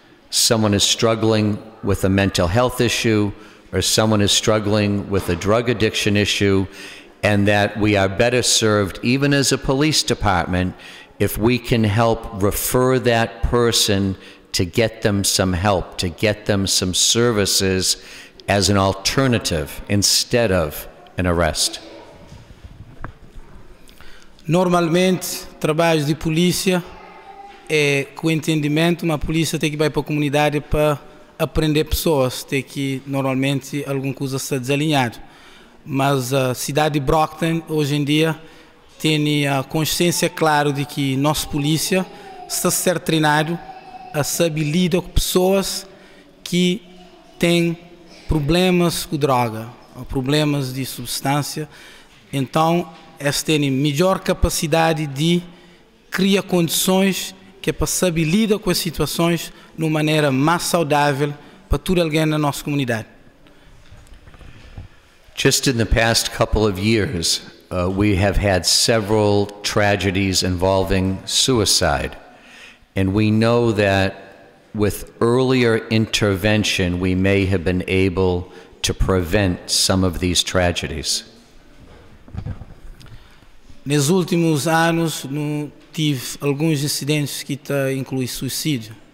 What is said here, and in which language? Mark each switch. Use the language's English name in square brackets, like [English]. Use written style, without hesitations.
[English] someone is struggling with a mental health issue or someone is struggling with a drug addiction issue, and that we are better served, even as a police department, if we can help refer that person to get them some help, to get them some services as an alternative instead of an arrest. [Portuguese] Normalmente, trabalho de polícia é com entendimento, mas a polícia tem que ir para a comunidade para aprender pessoas, tem que, normalmente, alguma coisa está desalinhada. Mas a cidade de Brockton, hoje em dia, tem a consciência clara de que nossa polícia está a ser treinado a saber lidar com pessoas que têm problemas com droga, ou problemas de substância. Então, eles têm melhor capacidade de criar condições que é para saber lidar com as situações de uma maneira mais saudável para todo alguém na nossa comunidade. [English] Just in the past couple of years, we have had several tragedies involving suicide. And we know that with earlier intervention, we may have been able to prevent some of these tragedies. [Portuguese] Nos últimos anos, não tive alguns incidentes que incluem suicídio.